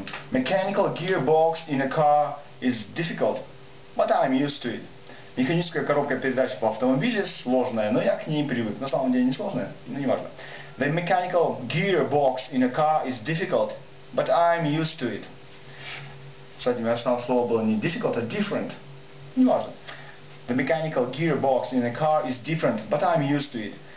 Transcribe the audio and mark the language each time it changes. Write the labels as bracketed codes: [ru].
[en] Mechanical gearbox in a car is difficult, but I'm used to it. [ru] Механическая коробка передач в автомобиле сложная, но я к ней привык. На самом деле не сложная, но не важно. [en] The mechanical gearbox in a car is difficult, but I'm used to it. [ru] Кстати, у меня основное слово было не difficult, а different. Не важно. [en] The mechanical gearbox in a car is different, but I'm used to it.